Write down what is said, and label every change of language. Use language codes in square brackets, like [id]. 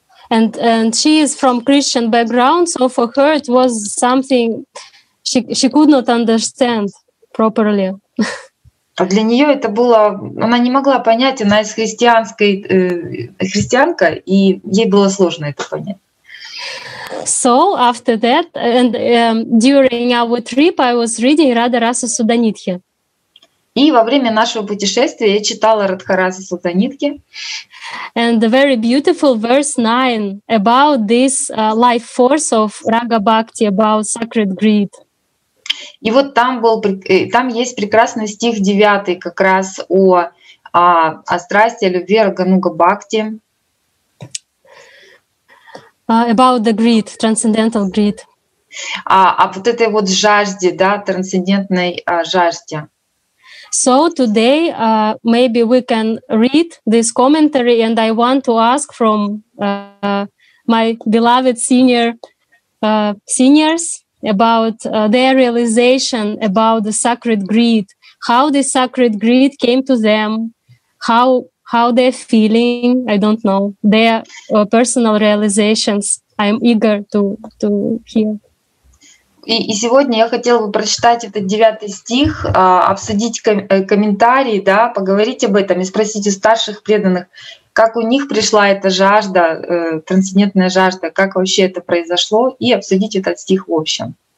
[en] And she is from Christian background, so for her it was something she could not understand. Properly. [ru] А для нее это было, она не могла понять, она из христианской христианка, и ей было сложно это понять. [en] So after that and during our trip, I was reading Radha Rasa Sudanidhi. [ru] И во время нашего путешествия я читала Радхарасу Сутанитхи. [en] And the very beautiful verse 9 about this life force of Raga Bhakti, about sacred greed. [ru] И вот там есть прекрасный стих 9, как раз о страсти, о любви, о Рагануга Бхакти. [en] About the greed, transcendental greed. [ru] А вот этой вот жажде, да, трансцендентной жажде. [en] So today maybe we can read this commentary, and I want to ask from my beloved seniors. About their realization about the sacred greed, how the sacred greed came to them, how they're feeling, I don't know, their personal realizations. I'm eager to hear. [ru] И сегодня я хотела бы прочитать этот 9 стих, обсудить комментарии, да, поговорить об этом и спросить у старших преданных, как у них пришла эта жажда, трансцендентная жажда, как вообще это произошло, и обсудить этот стих в общем.